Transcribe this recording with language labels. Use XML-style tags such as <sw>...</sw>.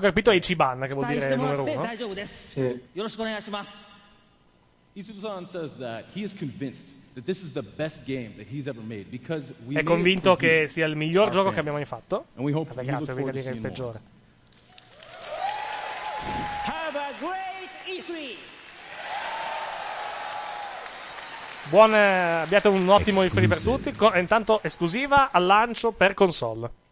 <it>che ho capito, è Ichiban, che vuol dire numero uno. Sì.</it> <en>Itsuto-san says that he is convinced that this is the best game that he's ever made, because we</en> <it>è convinto che sia il miglior gioco che abbia mai fatto.</it> <en>And we hope</en> <it>grazie, vi dire il peggiore.</it> <en>Have a great E3.</en> <it>Buon, abbiate un ottimo E3 per tutti. Intanto esclusiva al lancio per console.</it>